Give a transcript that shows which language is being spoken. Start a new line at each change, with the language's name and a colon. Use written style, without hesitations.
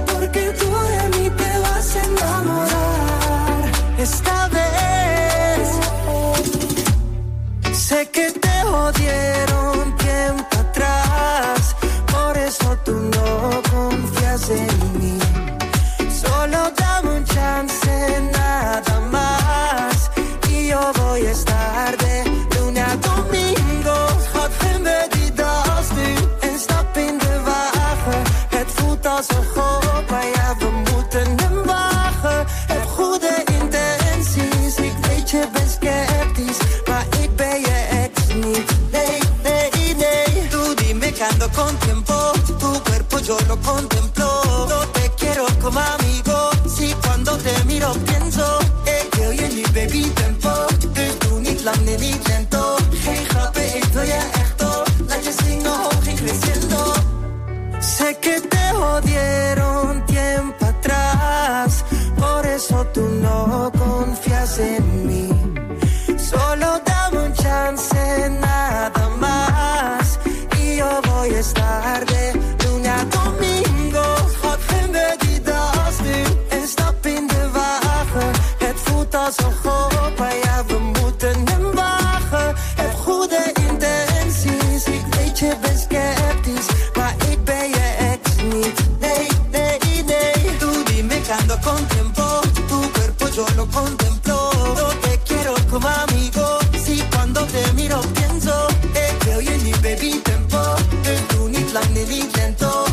Spanish: Porque tú de mí te vas a enamorar. Esta vez sé que te jodieron tiempo atrás, por eso tú no confías en mí. Solo dame un chance, nada más, y yo voy a estar de lunes a domingo.
Dutch: Schat, geen bedied als nu, en stap in de wagen. Het voelt als een gok, maar ja, we moeten hem wagen. Heb goede intenties, ik weet je bent sceptisch, maar ik ben je ex niet, nee, nee, nee.
Spanish: Tú dime que ando con tiempo, tu cuerpo yo lo contemplo. No te quiero como amigo, si cuando te miro pienso,
English: hey, girl, you need baby tempo.
Dutch: Dus doe niet lang, nee, niet lento. Geen grappen, ik wil je echt door. Laat je zingen, hoog en creciendo.
Spanish: Sé que te jodieron tiempo atrás, por eso tú no confías en mí. Solo dame un chance, nada más, y yo voy a estar de lunes a domingo.
Dutch: Schat, geen bedied als nu, en stap in de wagen. Het voelt als een gok, maar ja, we moeten hem wagen. Heb goede intenties, ik weet je bent sceptisch, maar ik ben je ex niet, nee, nee, nee.
Spanish: Tú dime que ando con tiempo, tu cuerpo yo lo contemplo. No te quiero como amigo, si cuando te miro pienso, que hoy es mi baby tempo, que tú ni plan ni intento.